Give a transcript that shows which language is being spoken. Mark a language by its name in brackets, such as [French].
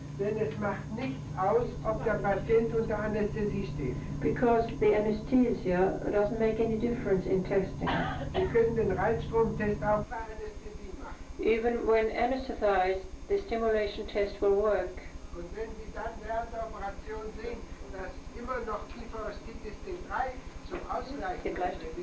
[German] Denn es macht nichts aus, ob der Patient unter Anästhesie steht. [English] Because the anesthesia doesn't make any difference in testing. [German] Sie können den Reizstromtest auch bei Anästhesie machen. [English] Even when anesthetized, the stimulation test will work. [German] Und wenn Sie dann während der Operation sehen, dass immer noch Kieferostitis D3 zum Ausgleichen